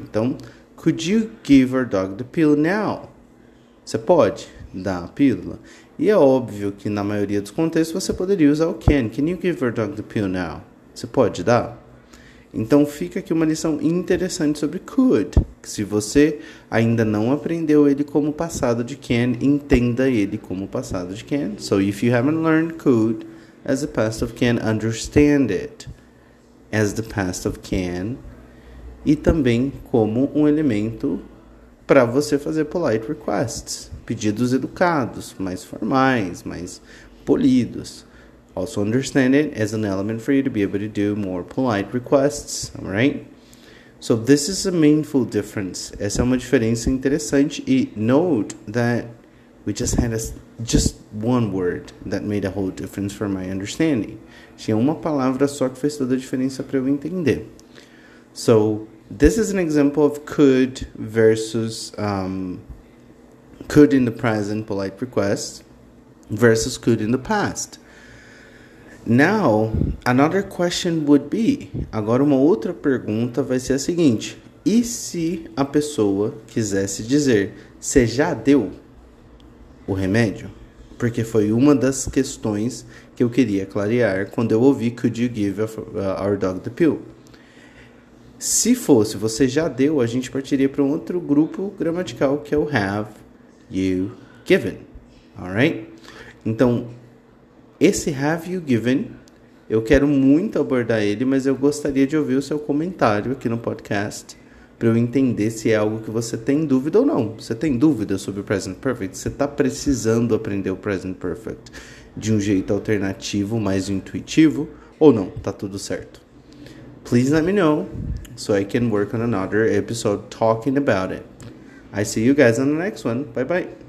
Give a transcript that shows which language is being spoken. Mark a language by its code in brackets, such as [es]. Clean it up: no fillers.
[pt] Então, [en] could you give our dog the pill now? [pt] Você pode dar a pílula? E é óbvio que na maioria dos contextos você poderia usar o can. [en] Can you give our dog the pill now? [pt] Você pode dar? Então, fica aqui uma lição interessante sobre could. Que se você ainda não aprendeu ele como passado de can, entenda ele como passado de can. [en] So, if you haven't learned could as the past of can, understand it as the past of can. [pt] E também como um elemento para você fazer polite requests. Pedidos educados, mais formais, mais polidos. [en] Also understand it as an element for you to be able to do more polite requests, alright? So this is a meaningful difference. [pt] Essa é uma diferença interessante. E [en] note that we just had just one word that made a whole difference for my understanding. [pt] Tinha uma palavra só que fez toda a diferença para eu entender. [en] So this is an example of could versus could in the present polite request versus could in the past. Now, another question would be, [pt] agora uma outra pergunta vai ser a seguinte, e se a pessoa quisesse dizer, você já deu o remédio? Porque foi uma das questões que eu queria clarear quando eu ouvi, [en] could you give our dog the pill? [pt] Se fosse, você já deu, a gente partiria para um outro grupo gramatical que é o [en] have you given, [pt] alright? Então, esse [en] have you given, [pt] eu quero muito abordar ele, mas eu gostaria de ouvir o seu comentário aqui no podcast para eu entender se é algo que você tem dúvida ou não. Você tem dúvida sobre o present perfect? Você está precisando aprender o present perfect de um jeito alternativo, mais intuitivo, ou não? Tá tudo certo. [en] Please let me know so I can work on another episode talking about it. I see you guys on the next one. Bye bye.